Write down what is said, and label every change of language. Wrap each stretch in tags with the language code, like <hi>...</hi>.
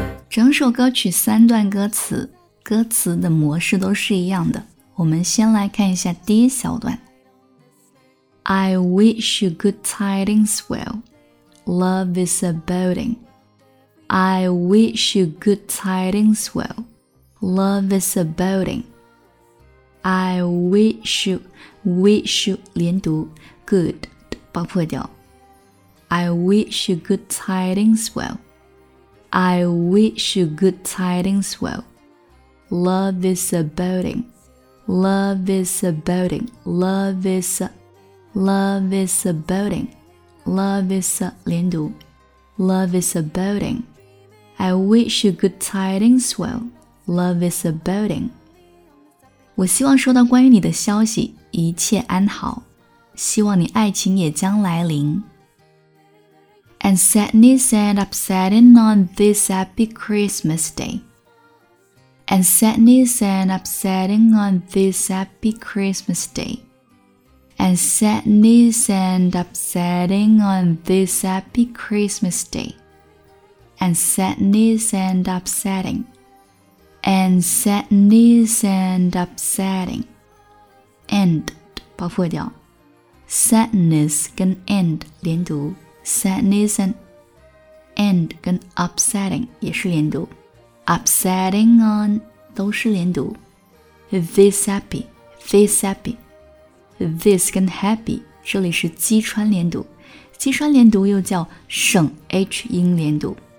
<zh>整首歌曲三段歌词，歌词的模式都是一样的。我们先来看一下第一小段。</zh> <en>I wish you good tidings well, love is abiding. I wish you good tidings well, love is abiding. I wish you</en> <zh>连读</zh> <en>good</en> <zh>爆破掉。</zh> <en>I wish you good tidings well. I wish you good tidings well. Love is abiding. Love is abiding. Love is a, love is abiding. Love is a,</en> <zh>连读</zh> <en>Love is abiding. I wish you good tidings well. Love is abiding.</en> <zh>我希望收到关于你的消息，一切安好，希望你爱情也将来临。</zh> <en>And sadness and upsetting on this happy Christmas day. And sadness and upsetting on this happy Christmas day. And sadness and upsetting on this happy Christmas day. And sadness and upsetting. And sadness and upsetting. End.</en> <zh>包括掉 Sadness 跟 end 连读。</zh> <en>Sadness and end</en> <zh>跟 upsetting 也是连读</zh> <en>upsetting on</en> <zh>都是连读</zh> <en>this happy this happy this</en> <zh>跟 happy 这里是击穿连读，击穿连读又叫省 H 音连读。</zh>